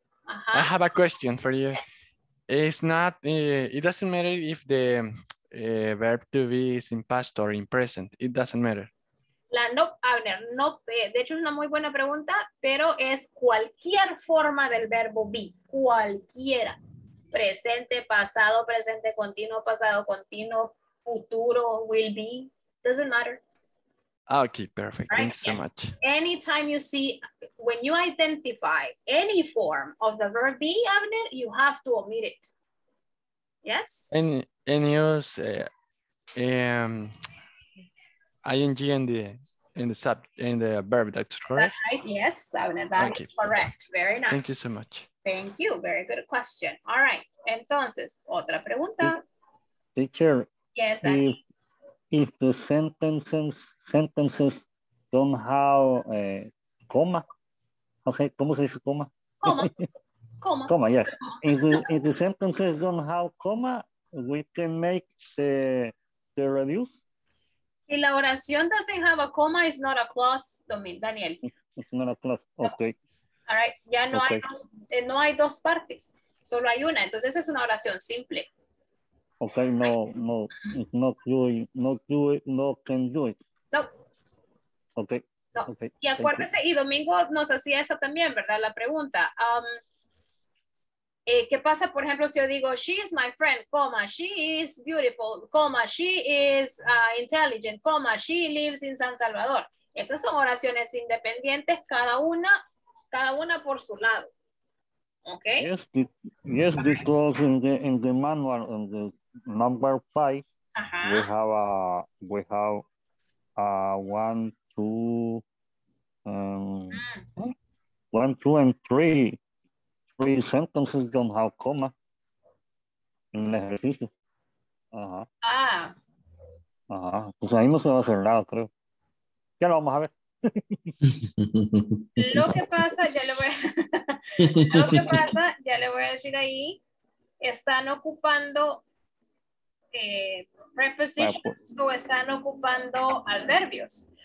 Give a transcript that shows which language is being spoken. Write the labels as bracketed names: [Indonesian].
[English] Uh-huh. I have a question for you. Yes. It's not, it doesn't matter if the verb to be is in past or in present. It doesn't matter. [Spanish] La no, Abner, no, de hecho es una muy buena pregunta, pero es cualquier forma del verbo be, cualquiera, presente, pasado, continuo, futuro, [English] will be, doesn't matter. Okay, perfect, right? Thanks so yes. Much. Anytime you see, when you identify any form of the verb be, Abner, you have to omit it. Yes? And use, ing in the verb, that's correct. That's right, yes, Abner, that okay. Is correct. Very nice. Thank you so much. Thank you, very good question. All right, [Spanish] entonces, otra pregunta. [English] Teacher. Yes, if the sentences don't have a comma, okay, [Spanish] ¿cómo se dice [English] comma? Comma, yes. If the sentences don't have comma, we can make the reduce. [Spanish] Si la oración [English] doesn't have a comma, it's not a clause, Daniel. It's not a clause, okay. [Spanish] No. [English] All right, [Spanish] ya no, okay. No hay dos partes, solo hay una. Entonces es una oración simple. [English] Okay, no, right. No, it's not doing, not do it, no can do it. No. Okay, no. Okay. [Spanish] Y acuérdese, y Domingo nos hacía eso también, ¿verdad? La pregunta. ¿Qué pasa, por ejemplo, si yo digo, [English] she is my friend, comma, she is beautiful, comma, she is intelligent, comma, she lives in San Salvador? [Spanish] Esas son oraciones independientes, cada una por su lado. ¿Ok? [English] Yes, yes, because in the manual, in the number 5, uh-huh. we have 1, 2, mm. 1, 2, and 3. Three sentences don't have comma in the ejercicio. [Spanish] Ajá. Pues ahí no se va a hacer nada, creo. Ya lo vamos a ver. Lo que pasa, ya le voy a decir ahí, están ocupando prepositions o están ocupando adverbios.